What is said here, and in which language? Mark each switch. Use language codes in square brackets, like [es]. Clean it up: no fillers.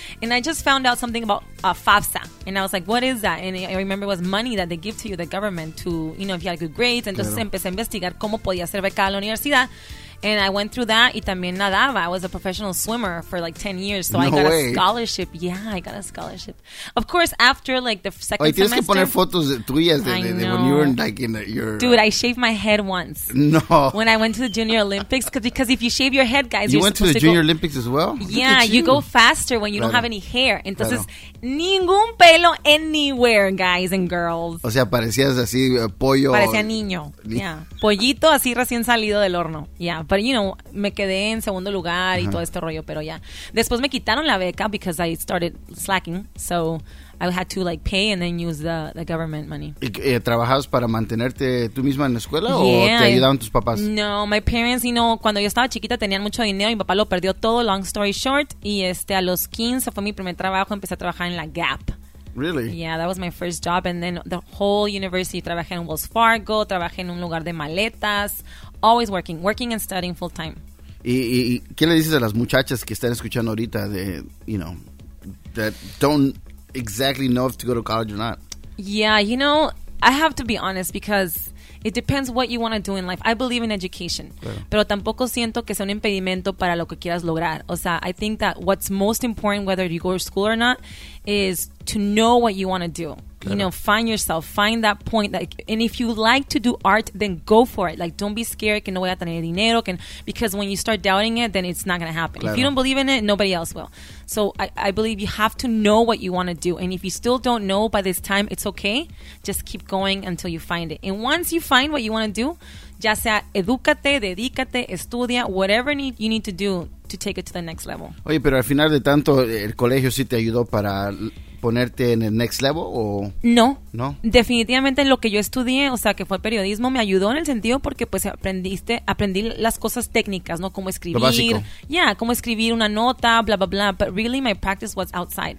[en] And I just found out something about FAFSA. And I was like, what is that? And I remember it was money that they give to you, the government, to, you know, if you had good grades. [es] Entonces claro. empecé a investigar cómo podía ser becada a la universidad. [en] And I went through that. [es] Y también nadaba. [en] I was a professional swimmer for, like, 10 years. So [es] no [en] I got way. A scholarship. Yeah, I got a scholarship. Of course, after, like, the second semester. [es] Oye, tienes que poner fotos de tuyas de [en] when you were, like, in your... Dude, I shaved my head once. No. When I went to the Junior Olympics. Because if you shave your head, guys, you you're went to the to Junior go, Olympics as well? Yeah, you go faster when you don't have any hair. [es] Entonces, ningún pelo [en] anywhere, guys and girls. [es] O sea, parecías así, pollo. Parecía niño. Yeah. Pollito así recién salido del horno. [en] Yeah, but you know, [es] me quedé en segundo lugar y todo este rollo, pero ya. Después me quitaron la beca [en] because I started slacking, so I had to like pay and then use the government money. [es] ¿Trabajabas para mantenerte tú misma en la escuela o te ayudaban tus papás? [en] No, my parents, you know, [es] cuando yo estaba chiquita tenían mucho dinero, mi papá lo perdió todo, [en] long story short, [es] y a los 15 fue mi primer trabajo, empecé a trabajar en la Gap. [en] Really? Yeah, that was my first job, and then the whole university, [es] trabajé en Wells Fargo, trabajé en un lugar de maletas. [en] Always working, working and studying full time. [es] ¿Y qué le dices a las muchachas que están escuchando ahorita de, [en] you know, that don't exactly know if to go to college or not? Yeah, you know, I have to be honest because it depends what you want to do in life. I believe in education. [es] Claro. Pero tampoco siento que sea un impedimento para lo que quieras lograr. O sea, [en] I think that what's most important, whether you go to school or not, is to know what you want to do. You know, find yourself, find that point. Like, and if you like to do art, then go for it. Like, don't be scared. [es] Que no voy a tener dinero. [en] Can, because when you start doubting it, then it's not going to happen. [es] Claro. [en] If you don't believe in it, nobody else will. So I believe you have to know what you want to do. And if you still don't know by this time, it's okay. Just keep going until you find it. And once you find what you want to do, [es] ya sea edúcate, dedícate, estudia, [en] whatever need you need to do to take it to the next level. [es] Oye, pero al final de tanto, el colegio sí te ayudó para ponerte en el next level o no definitivamente lo que yo estudié, o sea, que fue periodismo, me ayudó en el sentido porque pues aprendí las cosas técnicas, ¿no? Cómo escribir, lo básico. Yeah, cómo escribir una nota, bla bla bla, [en] but really my practice was outside.